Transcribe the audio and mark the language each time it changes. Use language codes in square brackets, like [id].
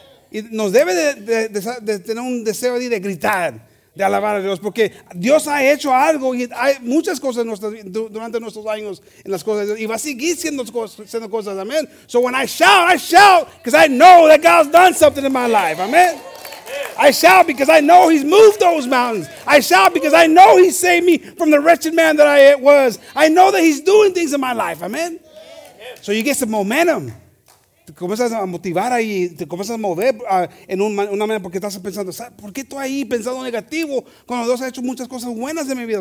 [es] Y nos debe de tener un deseo de gritar, de alabar a Dios, porque Dios ha hecho algo y hay muchas cosas durante nuestros años en las cosas de Dios. Y va a seguir siendo cosas, amen. [en] So when I shout because I know that God's done something in my life, amen. I shout because I know he's moved those mountains. I shout because I know he saved me from the wretched man that I was. I know that he's doing things in my life. Amen. So you get some momentum. [es] Te comienzas a motivar ahí. Te comienzas a mover en una manera porque estás pensando, ¿por qué estoy ahí pensando negativo cuando Dios ha hecho muchas cosas buenas en mi vida?